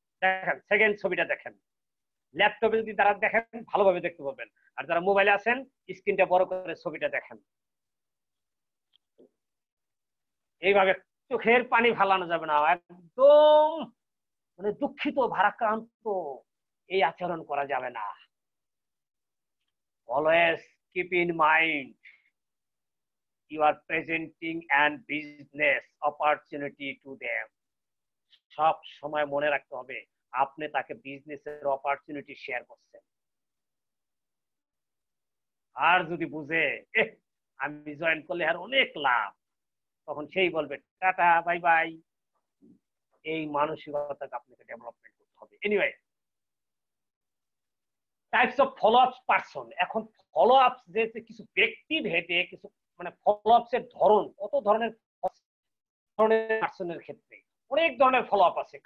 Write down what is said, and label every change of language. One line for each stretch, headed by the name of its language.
Bangla: দেখেন সেকেন্ড ছবিটা দেখেন, ল্যাপটপে যদি তারা দেখেন ভালোভাবে দেখতে পাবেন, আর যারা মোবাইলে আছেন স্ক্রিনটা বড় করে ছবিটা দেখেন, এইভাবে চোখের পানি ফালানো যাবে না, একদম মানে দুঃখিত ভারাক্রান্ত এই আচরণ করা যাবে না।
English: Always keep in mind you are presenting and business opportunity to them.
Bangla: সব সময় মনে রাখতে হবে আপনি তাকে বিজনেস এর অপরচুনিটি শেয়ার করছেন। আর যদি বুঝে আমি জয়েন করলে আর অনেক লাভ, তখন সেই বলবে টাটা বাই বাই। এই মানসিকতাকে আপনাকে ডেভেলপমেন্ট করতে হবে।
English: anyway types of follow ups person,
Bangla: এখন ফলো আপস যে কিছু ব্যক্তি ভেদে কিছু মানে ফলো আপস এর ধরন, কত ধরনের পার্সনের ক্ষেত্রে অনেক ধরনের ফলো আপ আছে।